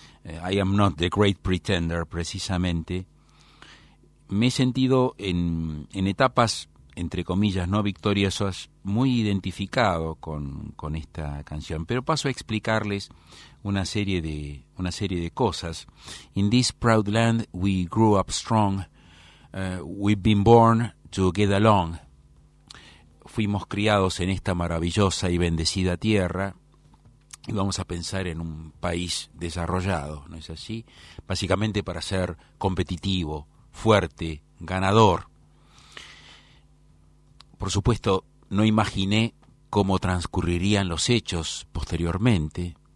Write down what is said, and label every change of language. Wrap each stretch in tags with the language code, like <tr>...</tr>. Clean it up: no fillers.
<en>I am not the great pretender,</en> <es>precisamente. Me he sentido en etapas, entre comillas, no victoriosas, muy identificado con esta canción. Pero paso a explicarles una serie de cosas.</es> <en>In this proud land we grew up strong, we've been born to get along.</en> <es>Fuimos criados en esta maravillosa y bendecida tierra, y vamos a pensar en un país desarrollado, ¿no es así? Básicamente para ser competitivo, fuerte, ganador. Por supuesto, no imaginé cómo transcurrirían los hechos posteriormente.</es>